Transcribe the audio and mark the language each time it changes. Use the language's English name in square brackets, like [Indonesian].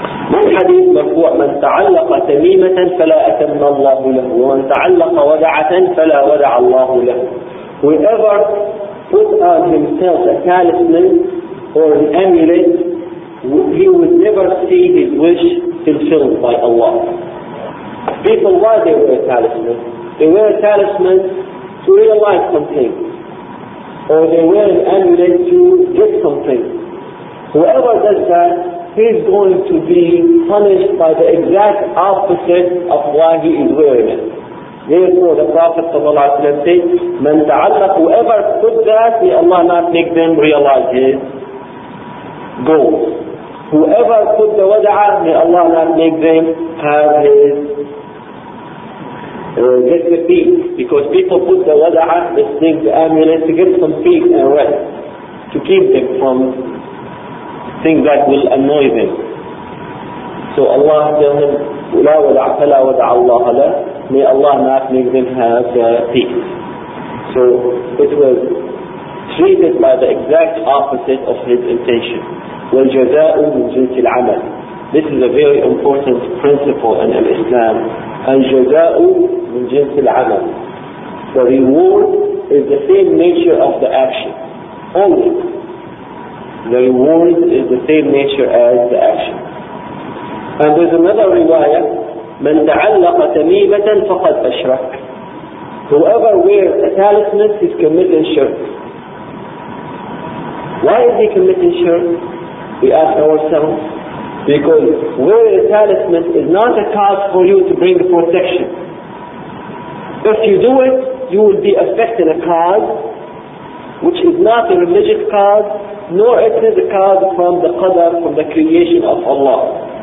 [Arabic] من حديث مرفوع من تعلق تميمة فلا أتم الله له ومن تعلق ودعة فلا ودع الله له [English] Whoever put on himself a talisman or an amulet he would never see his wish fulfilled by Allah People why they wear talismans? They wear talismans to realize something or they wear an amulet to get something Whoever does that he's going to be punished by the exact opposite of why he is wearing it. Therefore the Prophet said, [Arabic] مَنْ تَعَلَّقُ [English] Whoever put that, may Allah not make them realize his goals. Whoever put the wada'a, may Allah not make them have his get the peace. Because people put the wada'a, they think the amulet to get some peace and rest. To keep them from things that will annoy them. So Allah tells him, [Arabic] لا ودع فلا ودع الله له. [English] May Allah not make them have peace. So it was treated by the exact opposite of his intention. [Arabic] والجزاء من جنس العمل. [English] This is a very important principle in Islam. [Arabic] الجزاء من جنس العمل. [English] The reward is the same nature of the action. Only. The reward is the same nature as the action. And there's another riwayah, [Arabic] من تعلق تميمة فقد أشرك. [English] Whoever wears a talisman is committing shirk. Why is he committing shirk? We ask ourselves. Because wearing a talisman is not a cause for you to bring protection. If you do it, you will be affecting a cause, which is not a religious cause, nor it is a cause from the qadr, from the creation of Allah.